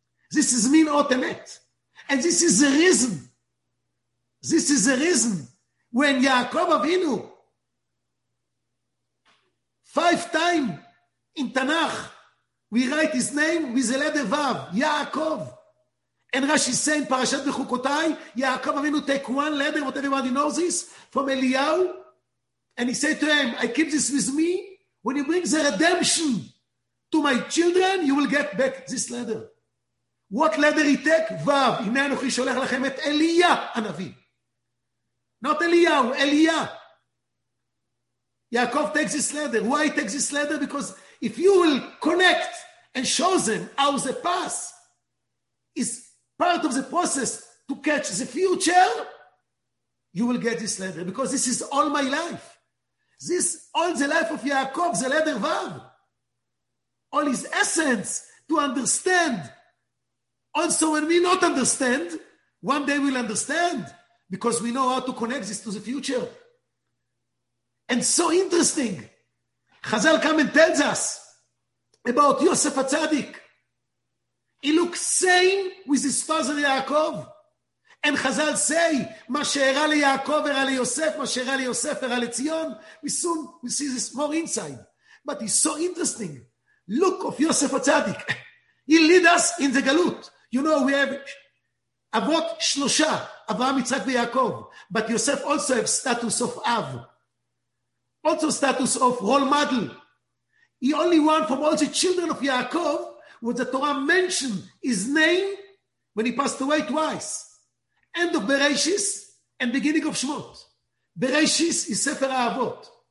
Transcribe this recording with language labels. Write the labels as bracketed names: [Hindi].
[English] This is mean Ot Emet. And this is the reason. This is the reason when Yaakov Avinu five times in Tanakh we write his name with the letter Vav, Yaakov. And Rashi says in Parashat Bechukotai, Yaakov Avinu take one letter, what everybody knows this, from Eliyahu, and he said to him, I keep this with me, when you bring the redemption to my children, you will get back this letter. What letter he take? [Hebrew] Vav, הנה אנוכי שולח לכם את אליה הנביא. [English] Not Eliyahu, Eliya. Yaakov takes this letter. Why he takes this letter? Because if you will connect and show them how the path is part of the process to catch the future, you will get this letter. Because this is all my life. This, all the life of Yaakov, the letter Vav. All his essence to understand. Also, when we not understand, one day we'll understand. Because we know how to connect this to the future. And so interesting. Chazal come and tells us about Yosef HaTzadik. He looks same with his father Yaakov. And Chazal say, [Hebrew] מה שהראה ליעקב הראה ליוסף, מה שהראה ליוסף הראה לציון. [English] We soon we see this more inside. But it's so interesting. Look of Yosef HaTzadik. He lead us in the galut. You know, we have [Hebrew] אבות שלושה, אברהם, יצחק ויעקב. [English] But Yosef also have status of Av. Also status of role model. He only one from all the children of Yaakov when the Torah mentioned his name when he passed away twice. End of Bereshis and beginning of Shmot. Bereshis is Sefer Ha'avot.